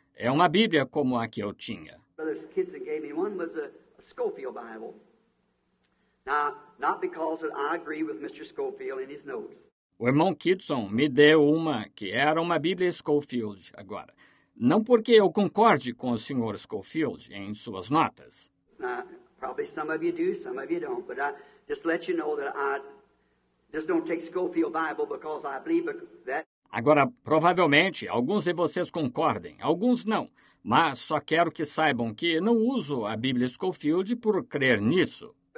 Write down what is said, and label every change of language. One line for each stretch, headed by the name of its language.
Portuguese: É uma Bíblia como a que eu tinha.
English: Brother Kitson gave me one was a Scofield Bible. Now, not because that I agree with Mr. Scofield in his notes.
Portuguese: O irmão Kitson me deu uma que era uma Bíblia Scofield agora. Não porque eu concorde com o Sr. Scofield em suas notas.
English: Now, probably some of you do, some of you don't. But I just let you know that I just don't take Scofield Bible because I believe that.
Portuguese: Agora, provavelmente, alguns de vocês concordem, alguns não, mas só quero que saibam que não uso a Bíblia Scofield por crer nisso.